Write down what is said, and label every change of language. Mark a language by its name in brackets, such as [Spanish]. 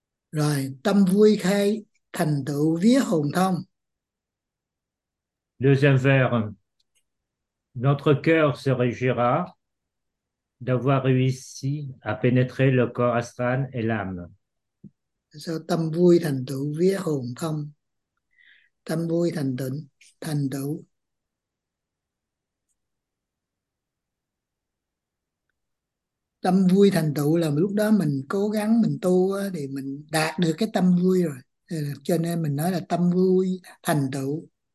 [Vietnamese] Rồi, tâm vui khai thành tựu vía hồn thông. [French] Deuxième vers, notre cœur se réjouira d'avoir réussi à pénétrer le corps astral et l'âme. [Vietnamese] Sao tâm vui thành tựu vía hồn thông, tâm vui thành tịnh thành tựu tâm vui thành tựu là lúc đó mình cố gắng mình tu thì mình đạt được cái tâm vui rồi, cho nên mình nói là tâm vui thành tựu.